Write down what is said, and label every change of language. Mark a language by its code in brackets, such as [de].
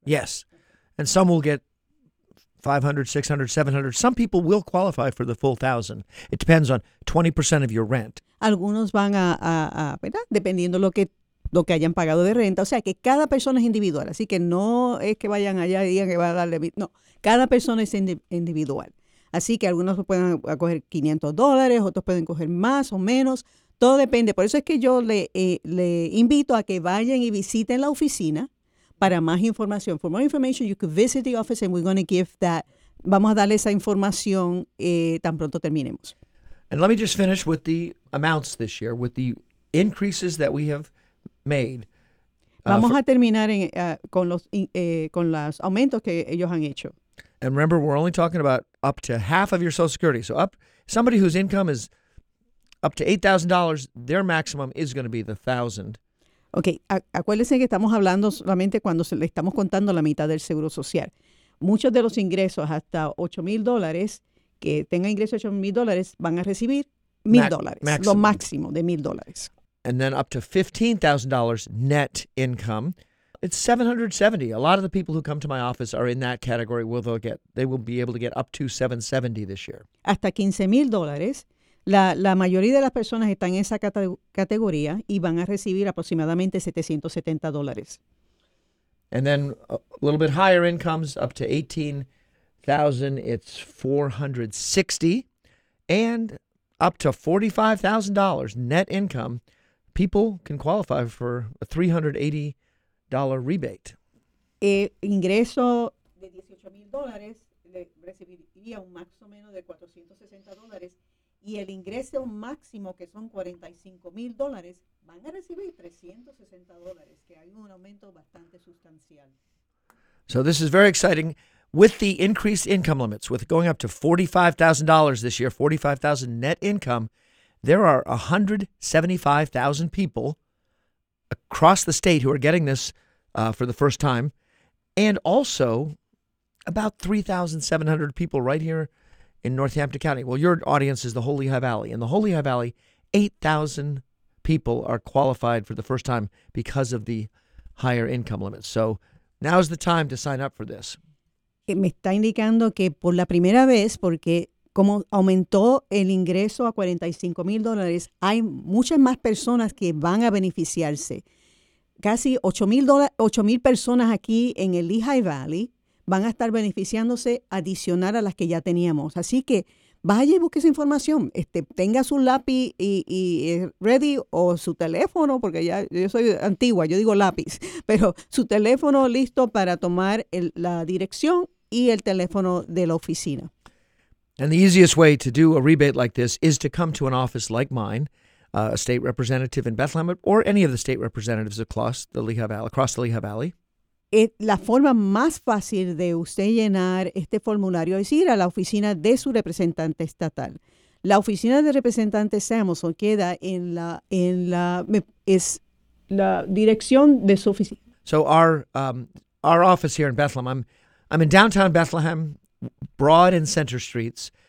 [en] Yes, and some will get 500, 600, 700. Some people will qualify for the full 1,000. It depends on 20% of your rent. [es] algunos van a ¿verdad? Dependiendo lo que hayan pagado de renta. O sea, que cada persona es individual. Así que no es que vayan allá y digan que van a darle. No, cada persona es individual. Así que algunos pueden acoger $500, otros pueden coger más o menos. Todo depende. Por eso es que yo le invito a que vayan y visiten la oficina para más información. [en] For more information, you could visit the office and we're going to give that. [es] Vamos a darle esa información tan pronto terminemos. [en] And let me just finish with the amounts this year, with the increases that we have made. [es] Vamos a terminar con los aumentos que ellos han hecho. [en] And remember, we're only talking about up to half of your Social Security. So up, somebody whose income is up to $8,000, their maximum is going to be the $1,000. [es] Okay, acuérdense que estamos hablando solamente cuando le estamos contando la mitad del Seguro Social. Muchos de los ingresos hasta $8,000, que tenga ingresos de $8,000, van a recibir $1,000, lo máximo de $1,000. [en] And then up to $15,000 net income. It's 770. A lot of the people who come to my office are in that category where they will be able to get up to 770 this year. [es] Hasta $15,000. La mayoría de las personas están en esa categoría y van a recibir aproximadamente $770. [en] And then a little bit higher incomes, up to 18,000, it's 460. And up to $45,000 net income, people can qualify for a $380 rebate. [es] Ingreso de $18,000 recibiría un máximo menos de $460. Y el ingreso máximo, que son $45,000, van a recibir $360, que hay un aumento bastante sustancial. [en] So this is very exciting. With the increased income limits, with going up to $45,000 this year, $45,000 net income, there are 175,000 people across the state who are getting this for the first time, and also about 3,700 people right here in Northampton County. Well, your audience is the Holy High Valley. In the Holy High Valley, 8,000 people are qualified for the first time because of the higher income limits. So now's the time to sign up for this. [es] Me está indicando que por la primera vez, porque como aumentó el ingreso a $45,000, hay muchas más personas que van a beneficiarse. Casi 8,000 personas aquí en el Lehigh Valley van a estar beneficiándose adicional a las que ya teníamos. Así que vaya y busque esa información. Tenga su lápiz y ready o su teléfono, porque ya yo soy antigua, yo digo lápiz, pero su teléfono listo para tomar la dirección y el teléfono de la oficina. [en] And the easiest way to do a rebate like this is to come to an office like mine, a state representative in Bethlehem, or any of the state representatives across the Lehigh Valley. [es] La forma más fácil de usted llenar este formulario es ir a la oficina de su representante estatal. La oficina de representante Samuelson queda en la dirección de su oficina. [en] So our office here in Bethlehem, I'm in downtown Bethlehem, Broad and Center Streets.